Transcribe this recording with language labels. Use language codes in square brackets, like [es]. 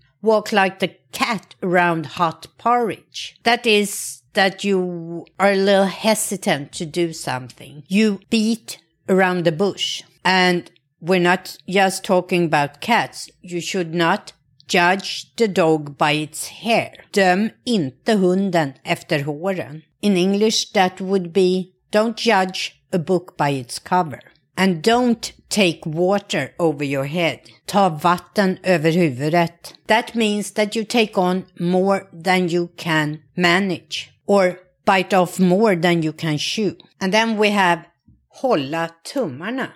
[en] Walk like the cat around hot porridge. That is that you are a little hesitant to do something. You beat around the bush. And we're not just talking about cats. You should not judge the dog by its hair. [sv] Döm inte hunden efter håren. [en] In English, that would be, don't judge a book by its cover. And don't take water over your head. [sv] Ta vatten över huvudet. [en] That means that you take on more than you can manage. Or bite off more than you can chew. And then we have [sv] hålla tummarna.